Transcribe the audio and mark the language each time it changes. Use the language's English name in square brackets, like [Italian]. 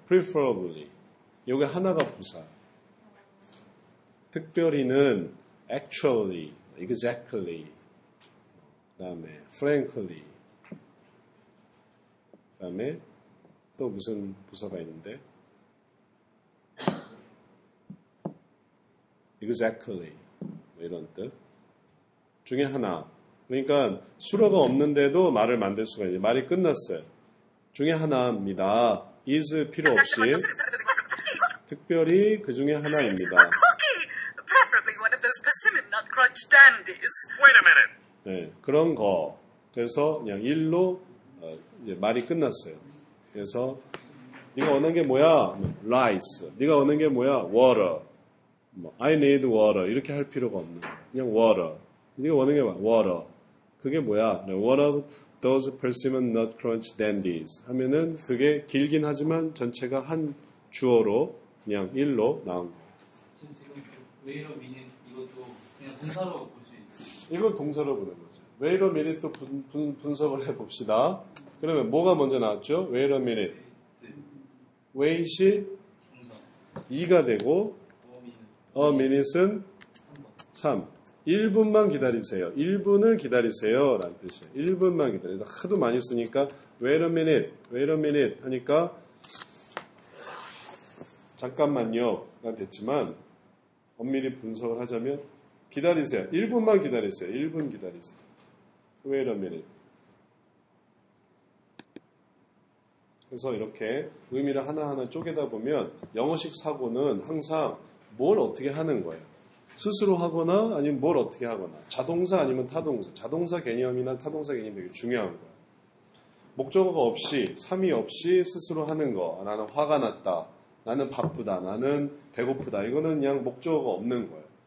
[Korean] preferably 요게 하나가 부사. 특별히는 actually, exactly 다음에 frankly, 다음에 또 무슨 부사가 있는데 exactly 뭐 이런 뜻 중에 하나. 그러니까 수로가 없는데도 말을 만들 수가 있어요. 말이 끝났어요. 중에 하나입니다. is 필요 없이 특별히 그 중에 하나입니다. [English] preferably one of those persimmon nut crunch dandies. Wait a minute. [Korean] 네, 그런 거. 그래서 그냥 일로 이제 말이 끝났어요. 그래서 네가 원하는 게 뭐야? rice. 네가 원하는 게 뭐야? water. 뭐, [English] I need water. [Korean] 이렇게 할 필요가 없는 거예요. 그냥 water. 네가 원하는 게 뭐야? water. 그게 뭐야? [English] one of those persimmon nut crunch dandies [Korean] 하면은 그게 길긴 하지만 전체가 한 주어로 그냥 일로 나온 거예요. 지금 where meaning 이것도 그냥 동사로 이건 동사로 보는 거죠. [English] Wait a minute [Korean] 또 분석을 해봅시다. 그러면 뭐가 먼저 나왔죠? Wait a minute. Wait이 2가 되고 A minute은 3. 1분만 기다리세요. 1분을 기다리세요 라는 뜻이에요. 1분만 기다리세요. 하도 많이 쓰니까 [English] Wait a minute. [Korean] Wait a minute 하니까 잠깐만요 가 됐지만 엄밀히 분석을 하자면 기다리세요. 1분만 기다리세요. 1분 기다리세요. [English] Wait a minute. [Korean] 그래서 이렇게 의미를 하나하나 쪼개다 보면 영어식 사고는 항상 뭘 어떻게 하는 거예요. 스스로 하거나 아니면 뭘 어떻게 하거나 자동사 아니면 타동사 자동사 개념이나 타동사 개념이 되게 중요한 거예요. 목적어가 없이 삼위 없이 스스로 하는 거 나는 화가 났다 나는 바쁘다 나는 배고프다 이거는 그냥 목적어가 없는 거예요.